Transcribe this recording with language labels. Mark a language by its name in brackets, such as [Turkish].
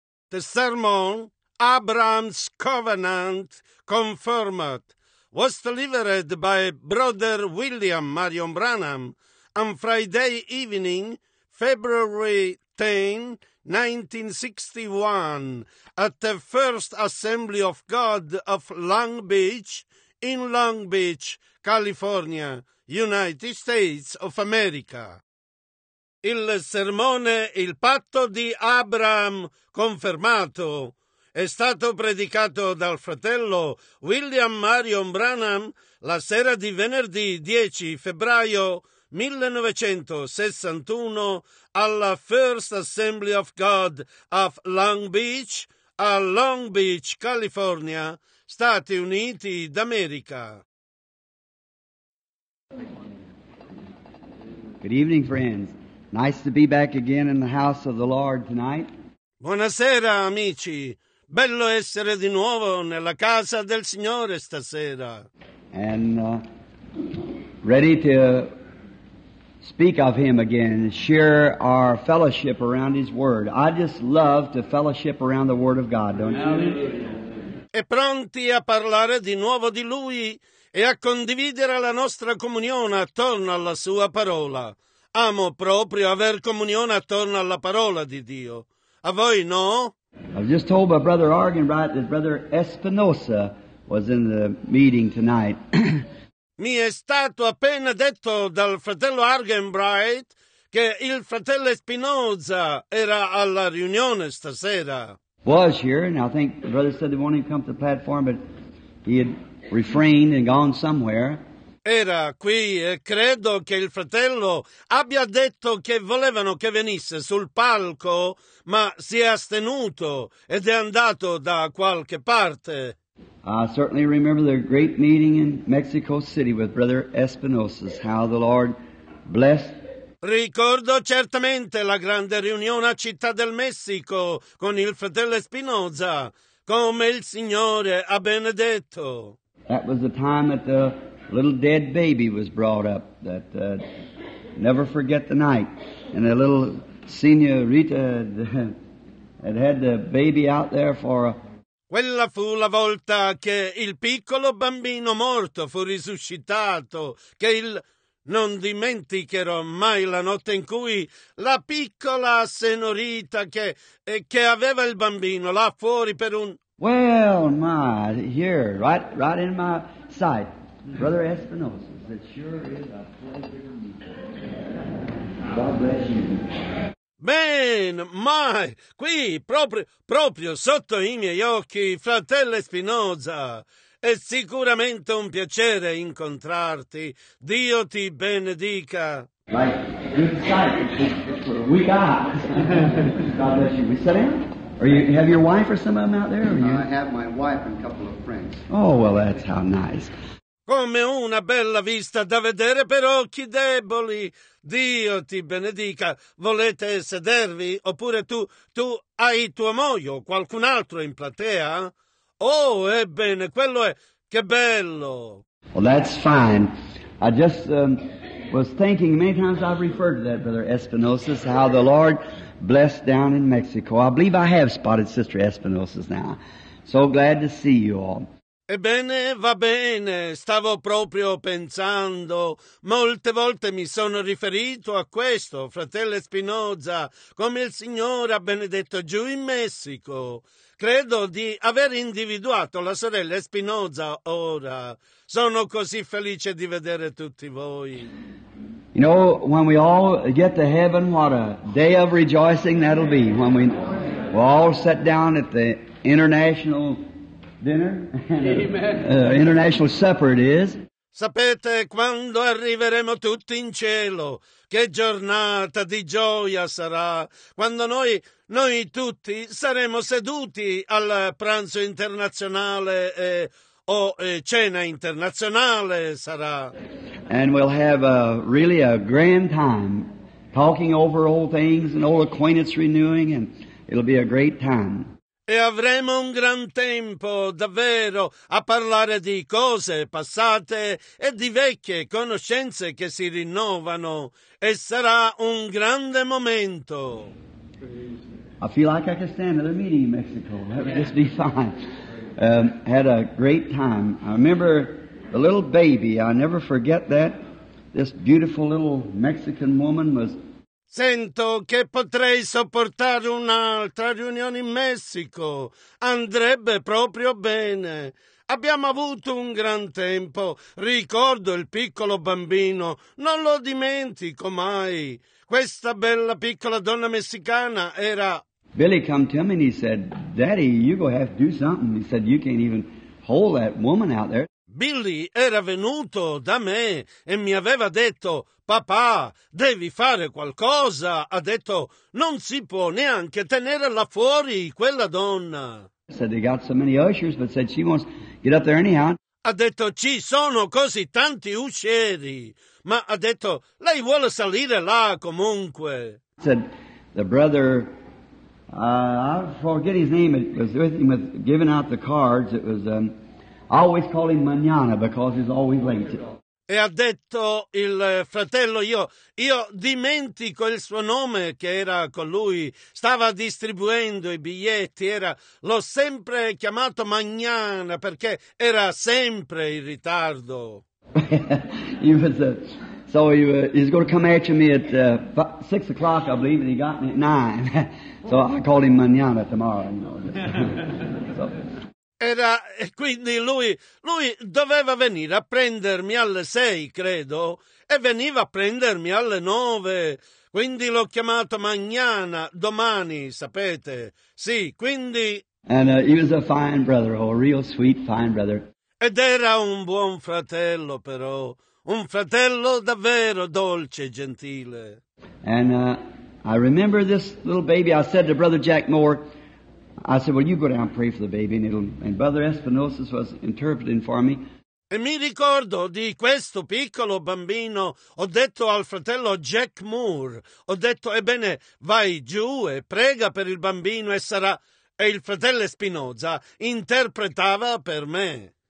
[English] The sermon, Abraham's Covenant, Confirmed, was delivered by Brother William Marion Branham on Friday evening, February 10, 1961, at the First Assembly of God of Long Beach in Long Beach, California, United States of America. [Italian] Il sermone Il patto di Abraham confermato è stato predicato dal fratello William Marion Branham la sera di venerdì 10 febbraio 1961 alla First Assembly of God of Long Beach a Long Beach, California, Stati Uniti d'America. [English] Good evening, friends. Nice to be back again in the house of the Lord tonight. [Italian] Buonasera, amici. Bello essere di nuovo nella casa del Signore stasera. [English] And ready to speak of Him again, share our fellowship around His Word. I just love to fellowship around the Word of God, don't you? [Italian] E pronti a parlare di nuovo di Lui e a condividere la nostra comunione attorno alla Sua parola. Amo proprio aver comunione attorno alla parola di Dio. A voi no? [English] I was just told by Brother Argan, right, that Brother Espinosa was in the meeting tonight. [Italian] Mi è stato appena detto dal fratello Argenbright che il fratello Espinosa era alla riunione stasera. [English] Was here, and I think the brother said he wanted to come to the platform, but he had refrained and gone somewhere. [Italian] Era qui e credo che il fratello abbia detto che volevano che venisse sul palco, ma si è astenuto ed è andato da qualche parte. [English] I certainly remember the great meeting in Mexico City with Brother Espinosa, how the Lord blessed. [Italian] Ricordo certamente la grande riunione a Città del Messico con il fratello Espinosa, come il Signore ha benedetto. [English] That was the time that the little dead baby was brought up, that never forget the night, and the little signorita had had the baby out there for a... [Italian] Quella fu la volta che il piccolo bambino morto fu risuscitato, che il... Non dimenticherò mai la notte in cui la piccola signorita che aveva il bambino là fuori per un... [English] Well, my, here, right in my sight. Brother Espinosa, it sure is a pleasure to meet you. God bless you. [Italian] Ben, mai, qui, proprio sotto i miei occhi, fratello Espinosa, è sicuramente un piacere incontrarti. Dio ti benedica. [English] Right, good sight. We got. God bless you. We sit down? Or you have your wife or some of them out there? No, I have my wife and a couple of friends. Oh, well, that's how nice. [Italian] Come una bella vista da vedere per occhi deboli. Dio ti benedica. Volete sedervi? Oppure tu hai tua moglie o qualcun altro in platea? Oh, ebbene, quello è... Che bello! [English] Well, that's fine. I just was thinking, many times I've referred to that, Brother Espinosa, how the Lord blessed down in Mexico. I believe I have spotted Sister Espinosa now. So glad to see you all. [Italian] Ebbene, va bene, stavo proprio pensando. Molte volte mi sono riferito a questo, fratello Espinosa, come il Signore ha benedetto giù in Messico. Credo di aver individuato la sorella Espinosa ora. Sono così felice di vedere tutti voi. [English] You know, when we all get to heaven, what a day of rejoicing that'll be when we all sit down at the international... Dinner? Amen. International supper it is. [Italian] Sapete quando arriveremo tutti in cielo? Che giornata di gioia sarà quando noi tutti saremo seduti al pranzo internazionale cena internazionale sarà. [English] And we'll have a grand time talking over old things and old acquaintance renewing, and it'll be a great time. [Italian] E avremo un gran tempo, davvero, a parlare di cose passate e di vecchie conoscenze che si rinnovano. E sarà un grande momento. [English] I feel like I could stand another meeting in Mexico. That would just be fine. Had a great time. I remember the little baby. I never forget that. This beautiful little Mexican woman was... [Italian] Sento che potrei sopportare un'altra riunione in Messico. Andrebbe proprio bene. Abbiamo avuto un gran tempo. Ricordo il piccolo bambino. Non lo dimentico mai. Questa bella piccola donna messicana era... [English] Billy come to me and he said, Daddy, you're going to have to do something. He said, you can't even hold that woman out there. [Italian] Billy era venuto da me e mi aveva detto, Papà, devi fare qualcosa. Ha detto, non si può neanche tenerla fuori, quella donna. [English] Said they got so many ushers, but said she wants to get up there anyhow. [Italian] Ha detto, ci sono così tanti uscieri. Ma ha detto, lei vuole salire là comunque. [English] Said the brother... I forget his name, it was with him with giving out the cards, it was, I always call him Manana because he's always late. [Italian] E ha detto il fratello, io dimentico il suo nome che era con lui, stava distribuendo i biglietti, era, l'ho sempre chiamato Manana perché era sempre in ritardo. [English] He was, so he's going to come after me at 6 o'clock, I believe, and he got me at 9. So I call him mañana, tomorrow, you know. So. [Italian] Era, e quindi lui doveva venire a prendermi alle 6, credo, e veniva a prendermi alle 9. Quindi l'ho chiamato mañana, domani, sapete. Sì, quindi... [English] And he was a fine brother, a real sweet fine brother. [Italian] Ed era un buon fratello, però. Un fratello davvero dolce e gentile. [English] And... I remember this little baby. I said to Brother Jack Moore, I said, well, you go down and pray for the baby. And Brother Espinosa was interpreting for me. [Italian] E mi ricordo di questo piccolo bambino. Ho detto al fratello Jack Moore, ho detto, ebbene, vai giù e prega per il bambino e sarà... E il fratello Espinosa interpretava per me.